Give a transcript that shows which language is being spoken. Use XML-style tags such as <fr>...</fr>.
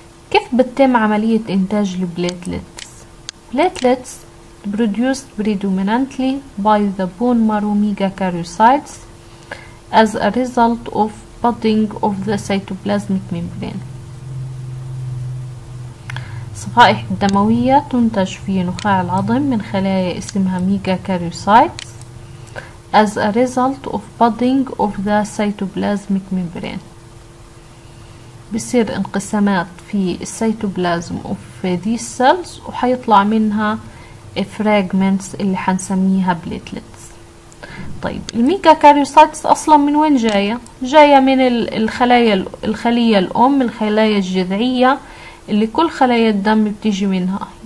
<ar>كيف بتتم عملية انتاج البليتلتس؟</ar> <en>Platelets produced predominantly by the bone marrow megakaryocytes as a result of budding of the cytoplasmic membrane.</en> <ar>صفائح الدموية تنتج في نخاع العظم من خلايا اسمها ميجاكاريوسايتس،</ar> <en>as a result of budding of the cytoplasmic membrane.</en> <ar>بصير انقسامات في السيتوبلازم</ar> <en>of these cells</en> <ar>وحيطلع منها fragments اللي حنسميها platelets. طيب الميجا كاريوسايتس اصلا من وين جاية؟ جاية من الخلية الام، الخلايا الجذعية اللي كل خلايا الدم بتيجي منها.</ar>